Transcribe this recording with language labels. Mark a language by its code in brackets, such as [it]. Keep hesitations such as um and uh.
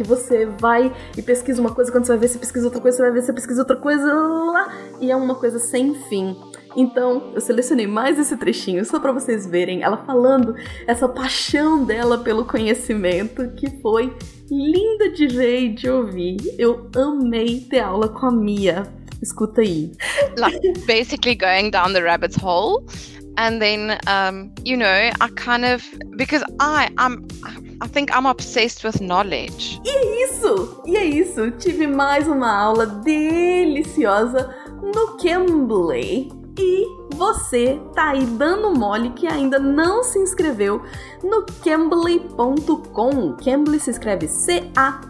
[pt] Que você vai e pesquisa uma coisa, quando você vai ver, você pesquisa outra coisa, você vai ver, você pesquisa outra coisa, lá, lá, e é uma coisa sem fim. Então, eu selecionei mais esse trechinho só pra vocês verem ela falando essa paixão dela pelo conhecimento que foi linda de ver e de ouvir. Eu amei ter aula com a Mia. Escuta aí. [en] like basically going down the rabbit hole and then um, you know i kind of because i i'm i think i'm obsessed with knowledge [pt] Isso! E é isso. Tive mais uma aula deliciosa no Cambly. E você tá aí dando mole que ainda não se inscreveu no Cambly.com. Cambly se escreve C-A-M-B-L-Y.